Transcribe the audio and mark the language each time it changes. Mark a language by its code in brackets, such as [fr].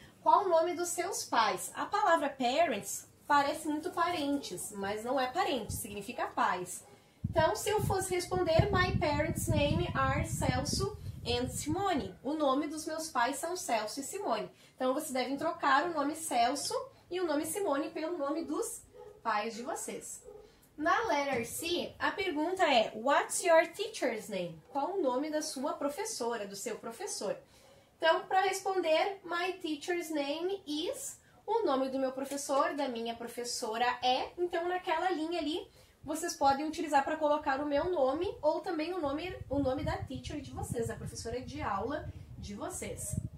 [pt] Qual o nome dos seus pais? A palavra parents parece muito parentes, mas não é parentes, significa pais. Então, se eu fosse responder, [en] my parents' name are Celso and Simone. [pt] O nome dos meus pais são Celso e Simone. Então, vocês devem trocar o nome Celso e o nome Simone pelo nome dos pais de vocês. [en] Na letter C, [pt] a pergunta é, [en] what's your teacher's name? [pt] Qual o nome da sua professora, do seu professor? Então, para responder, [en] my teacher's name is, [pt] o nome do meu professor, da minha professora é, então naquela linha ali, vocês podem utilizar para colocar o meu nome, ou também o nome da teacher de vocês, da professora de aula de vocês.